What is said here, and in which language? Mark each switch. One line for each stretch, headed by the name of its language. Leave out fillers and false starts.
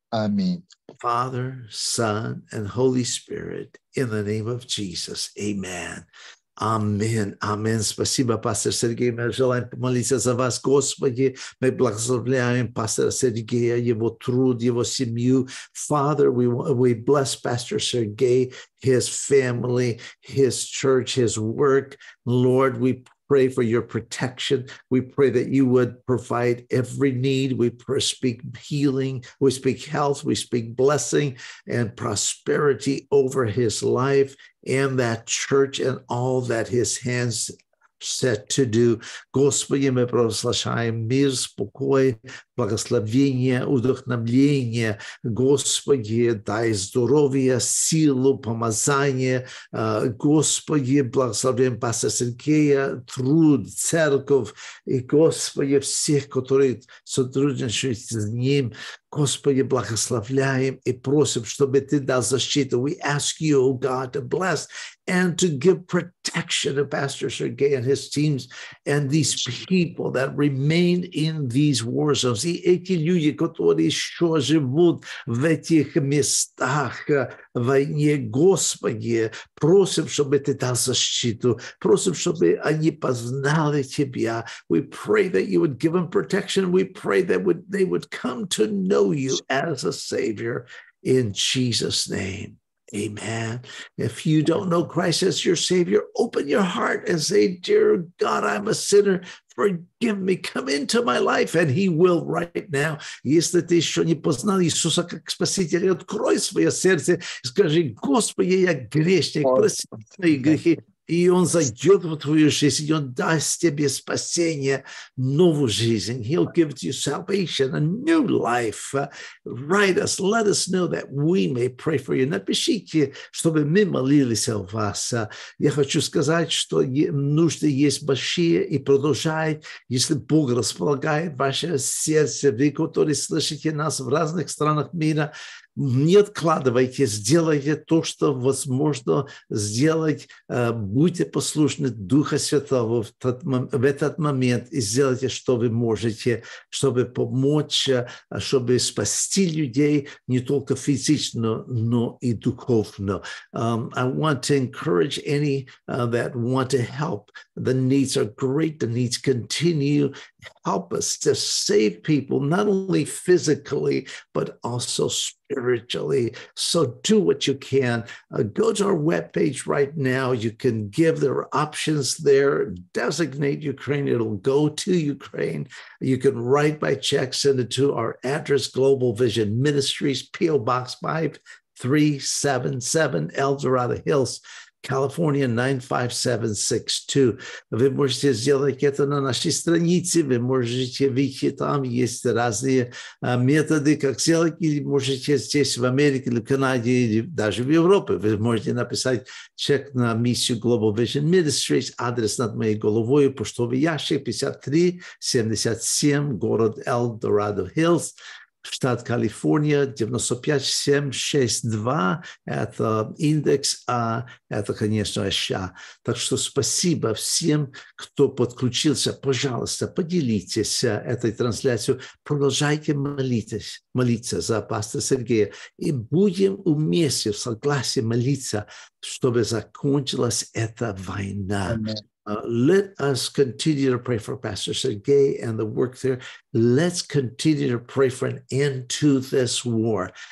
Russian: Аминь.
English: Father, Son, and Holy Spirit, in the name of Jesus. Amen. Amen. Amen.
Russian: Спасибо, пастор Сергей. Мы желаем помолиться за вас, Господи. Мы благословляем пастора Сергея, его труд, его семью.
English: Father, we bless Pastor Сергей, his family, his church, his work. Lord, we pray for your protection. We pray that you would provide every need. We speak healing. We speak health. We speak blessing and prosperity over his life and that church and all that his hands set to do.
Russian: Господи, мы прославляем мир, спокой, благословение, вдохновение. Господи, дай здоровье, силу, помазание. Господи, благословляем пастора Сергея, труд, церковь. И Господи, всех, которые сотрудничают с ним. Господи, благословляем и просим, чтобы ты дал защиту.
English: We ask you, O God, to bless and to give protection to Pastor Sergey and his teams and these people that remain in these war zones.
Russian: И эти люди, которые еще живут в этих местах войны, Господи, просим, чтобы ты дал защиту. Просим, чтобы они познали тебя.
English: We pray that you would give them protection. We pray that they would come to know you as a Savior in Jesus' name. Amen. If you don't know Christ as your Savior, open your heart and say, dear God, I'm a sinner. Forgive me. Come into my life. And he will right now.
Russian: Если ты еще не познал Иисуса как Спасителя, открой свое сердце и скажи, Господи, я грешник, прости мои грехи. И он зайдет в твою жизнь, и он даст тебе спасение, новую жизнь.
English: He'll give you salvation, a new life. Write us, let us know that we may pray for you.
Russian: Напишите, чтобы мы молились о вас. Я хочу сказать, что нужды есть большие, и продолжает, если Бог располагает ваше сердце, вы, которые слышите нас в разных странах мира, не откладывайте, сделайте то, что возможно сделать. Будьте послушны Духа Святого в этот момент и сделайте, что вы можете, чтобы помочь, чтобы спасти людей не только физично, но и духовно.
English: I want to encourage any that want to help. The needs are great. The needs continue. Help us to save people, not only physically, but also spiritually. So do what you can. Go to our webpage right now. You can give their options there. Designate Ukraine. It'll go to Ukraine. You can write by check, send it to our address, Global Vision Ministries, P.O. Box 5377, El Dorado Hills, California 95762.
Ukrainian: Ви можете зробити це на нашій страниці, ви можете вийти там, є різні методи, як зробити, і можете здесь в Америці, в Канаді, навіть в Європі. Ви можете написати чек на місію Global Vision Ministries, адрес над моєю головою, поштовий ящик 5377, город Елдорадо Хиллс.
Russian: Штат Калифорния, 95762, это индекс, а это, конечно, США. Так что спасибо всем, кто подключился. Пожалуйста, поделитесь этой трансляцией. Продолжайте молиться за пастора Сергея. И будем вместе в согласии молиться, чтобы закончилась эта война.
English: Let us continue to pray for Pastor Sergey and the work there. Let's continue to pray for an end to this war.